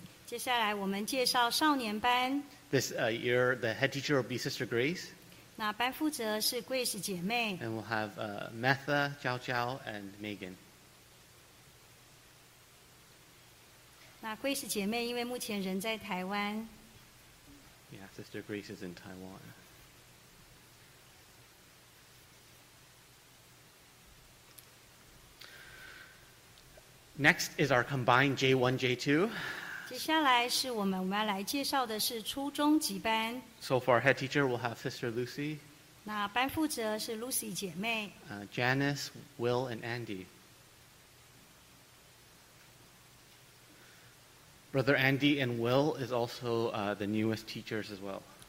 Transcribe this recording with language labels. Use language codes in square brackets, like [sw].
[zh] 接下来我们介绍少年班. [en] This year, the head teacher will be Sister Grace. [zh] 那班负责是Grace姐妹. [en] And we'll have Metha, Jiao Jiao, and Megan. [zh] 那Grace姐妹因为目前人在台湾。 [en] Yeah, Sister Grace is in Taiwan. Next is our combined J1, J2. [zh] 接下来是我们要来介绍的是初中级班。 [en] So for our head teacher, we'll have Sister Lucy. [zh] 那班负责是Lucy姐妹。 [en] Janice, Will, and Andy. Brother Andy and Will is also the newest teachers as well.